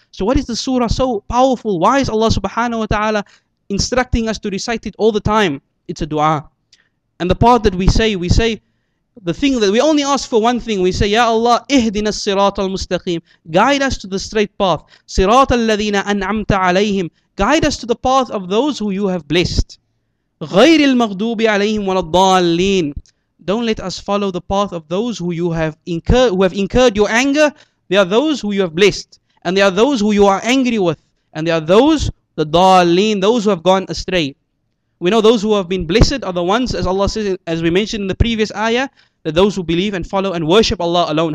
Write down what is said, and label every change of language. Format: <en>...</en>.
<en>So what is the surah so powerful? Why is Allah subhanahu wa ta'ala instructing us to recite it all the time? It's a dua. And the part that we say, the thing that we only ask for one thing, we say,</en> <ar>Ya Allah, ihdina sirat al-mustaqim.</ar> <en>Guide us to the straight path.</en> <ar>Sirat al-ladhina an'amta alayhim.</ar> <en>Guide us to the path of those who you have blessed.</en> <ar>غير المغضوب عليهم ولا الضالين.</ar> <en>Don't let us follow the path of those who have incurred your anger. They are those who you have blessed, and they are those who you are angry with, and they are those, the dalin, those who have gone astray. We know those who have been blessed are the ones, as Allah says, as we mentioned in the previous ayah, that those who believe and follow and worship Allah alone.</en>